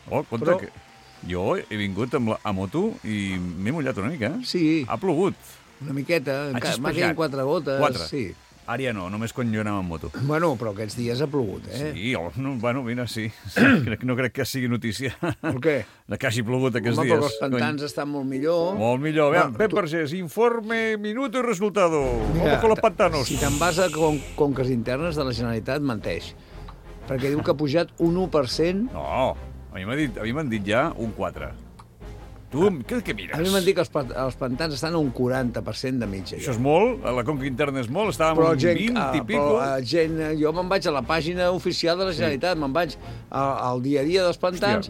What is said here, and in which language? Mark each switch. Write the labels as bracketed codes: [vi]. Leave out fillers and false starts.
[ca] Oh, compte però... que jo he vingut amb la moto i m'he mullat una mica. Sí. Ha plogut. Una miqueta, encara m'ha caigut quatre gotes. Quatre? Sí. Ara ja no, només quan jo anava amb moto. Bueno, però aquests dies ha plogut, eh? Sí, oh, no, bueno, mira, sí. No crec que sigui notícia. Per què? Que hagi plogut aquests dies. Home, però els pantans estan molt millor. Molt millor. [es] Bé, Pep Vergés, informe, minuto y resultado. Mira, ojo con los pantanos. [ca] Si te'n vas a conques internes de la Generalitat, menteix. Perquè diu que ha pujat un 1%. No, a mi m'han dit ja un 4%. Tu, què mires? A mi m'han dit que els pantans estan a un 40% de mitja. Això és molt, a la conca interna és molt, estàvem a un 20 i pico. Però gent, jo me'n vaig a la pàgina oficial de la Generalitat, sí. Me'n vaig al dia a dia dels pantans.